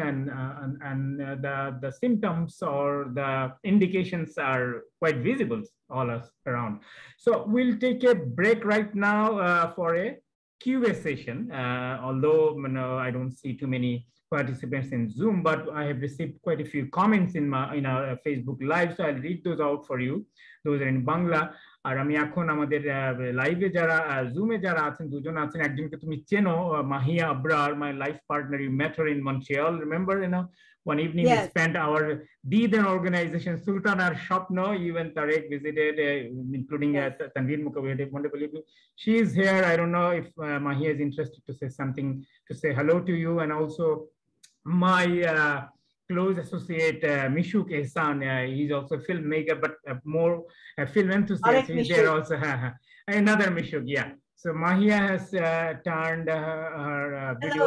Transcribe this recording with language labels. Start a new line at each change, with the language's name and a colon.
English: And the symptoms or the indications are quite visible all us around. So we'll take a break right now for a Q&A session. Although I don't see too many participants in Zoom, but I have received quite a few comments in our Facebook Live. So I'll read those out for you. Those are in Bangla.
Bangla: আর আমি এখন আমাদের লাইভে যারা জুমে যারা আছেন দুজন আছেন একজনকে তুমি চেনো
English: Mahia Abrar my life partner you met her in Montreal remember you know one evening you spent our did an organisation Sultan আর Swapna even Tarek visited including Tanvir Mukhopadhyay wonderful evening she is here I don't know if Mahia is interested to say something to say hello to you and also my close associate Mishuk Ehsan. He's also a filmmaker, but more a film enthusiast. He's there also. Another Mishuk, yeah. So Mahia has turned her video